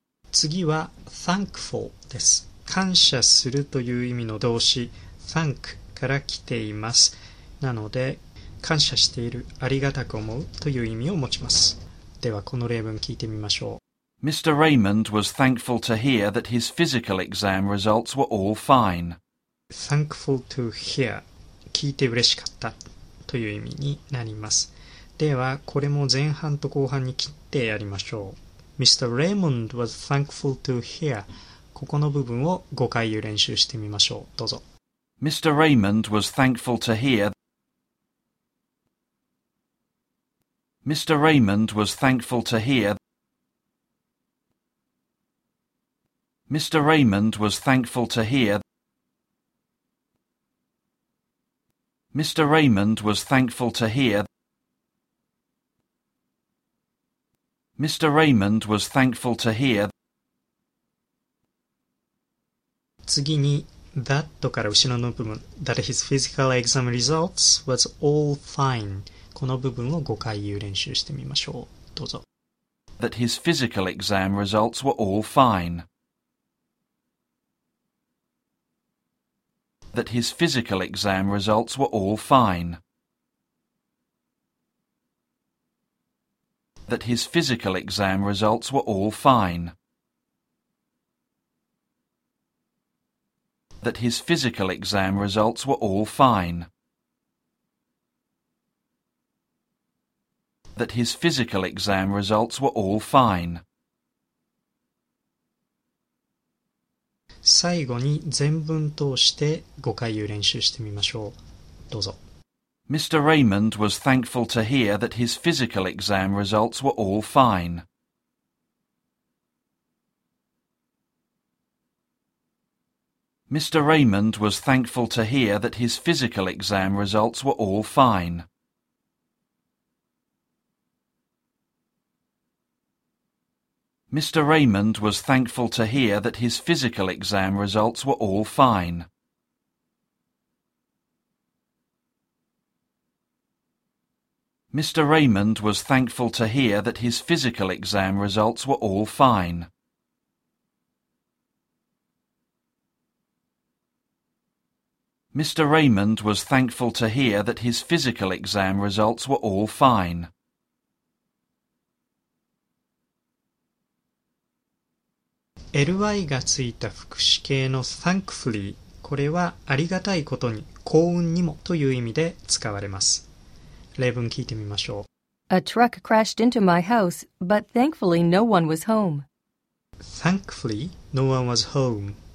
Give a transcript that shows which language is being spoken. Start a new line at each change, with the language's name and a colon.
Japanese: 次は thankful です。感謝するという意味の動詞 thank から来ています。なので、感謝している、ありがたく思うという意味を持ちます。ではこの例文聞いてみましょう。
English: Mr. Raymond was thankful to hear that his physical exam results were all fine. Thankful to hear
Japanese: 聞いて嬉しかったという意味になります。ではこれも前半と後半に切ってやりましょう。Mr.
English: Raymond was thankful to hear
Japanese: ここの部分を5回言う練習してみましょう。どうぞ。
English: Mr. Raymond was thankful to hear Mr. Raymond was thankful to hear Mr. Raymond was thankful to hear Mr. Raymond was thankful to hearMr. Raymond was thankful to hear.
Japanese: 次に
English: that
Japanese: から後ろの部分
English: that his physical exam results was all fine.
Japanese: この部分を5回言う練習してみましょう。どうぞ。
English: That his physical exam results were all fine. That his physical exam results were all fine. That his physical exam results were all fine. That his physical exam results were all fine. That his physical exam results were all fine.
Japanese: 最後に全文通して5回言う練習してみましょう。どうぞ。
English: Mr. Raymond was thankful to hear that his physical exam results were all fine. Mr. Raymond was thankful to hear that his physical exam results were all fine. Mr. Raymond was thankful to hear that his physical exam results were all fine. Mr. Raymond was thankful to hear that his physical exam results were all fine. Mr. Raymond was thankful to hear that his physical exam results were all fine.
Japanese: LY がついた副詞形の thankfully、これはありがたいことに、幸運にもという意味で使われます。例文聞いてみましょう。
English: A truck crashed into my house, but thankfully no one was home. Thankfully, no one was home.